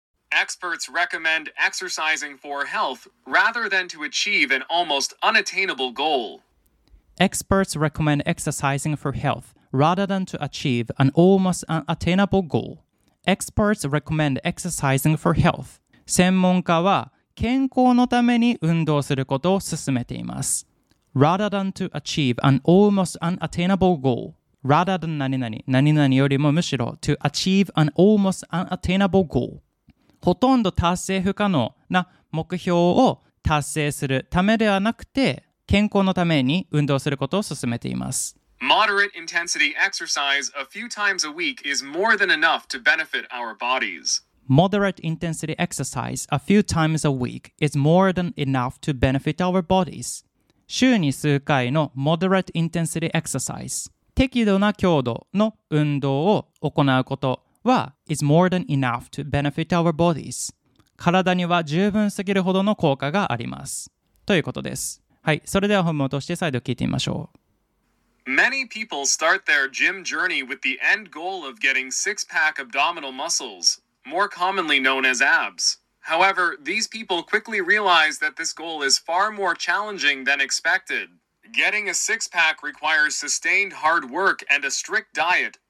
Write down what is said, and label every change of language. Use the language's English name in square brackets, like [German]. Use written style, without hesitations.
[English] Experts recommend exercising for health rather than to achieve an almost unattainable goal. Experts recommend exercising for health rather than to achieve an almost unattainable goal. Experts recommend exercising for health. [Japanese] 専門家は健康のために運動することを勧めています。 [English] Rather than to achieve an almost unattainable goal. Rather than 何々、何々よりもむしろ to achieve an almost unattainable goal. [Japanese] ほとんど達成不可能な目標を達成するためではなくて、健康のために運動することを勧めています。 [English] Moderate intensity exercise a few times a week is more than enough to benefit our bodies. Moderate intensity exercise a few times a week is more than enough to benefit our bodies. 週に数回の moderate intensity exercise、適度な強度の運動を行うことは、 is more than enough to benefit our bodies. [Japanese] 体には十分すぎるほどの効果があります。ということです。はい、それでは本文として再度聞いてみましょう。 [English] Many people start their gym journey with the end goal of getting six-pack abdominal muscles, more commonly known as abs. However, these people quickly realize that this goal is far more challenging than expected. Getting a six-pack requires sustained hard work and a strict diet.